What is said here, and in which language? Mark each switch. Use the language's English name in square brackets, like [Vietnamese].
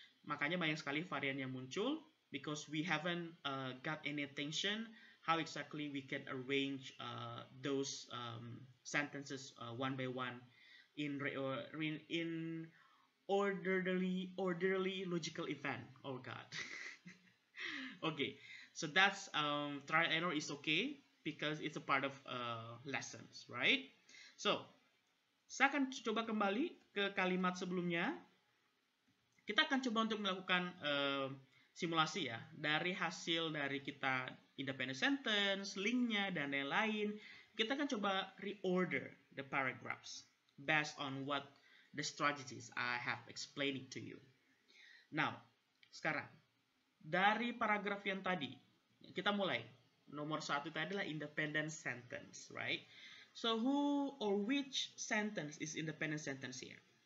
[Indonesian] Makanya banyak sekali varian yang muncul [English] because we haven't got any attention how exactly we can arrange those sentences one by one in orderly logical event. Oh God. Okay, so that's trial and error is okay because it's a part of lessons, right? [Indonesian] So, saya akan coba kembali ke kalimat sebelumnya. Kita akan coba untuk melakukan simulasi ya, dari hasil dari kita independent sentence, linknya, dan lain-lain. Kita akan coba [English] reorder the paragraphs based on what the strategies I have explained to you. [Indonesian] Now, sekarang, dari paragraf yang tadi, kita mulai. Nomor satu tadi adalah independent sentence, right? [English] So, who or which sentence is independent sentence here?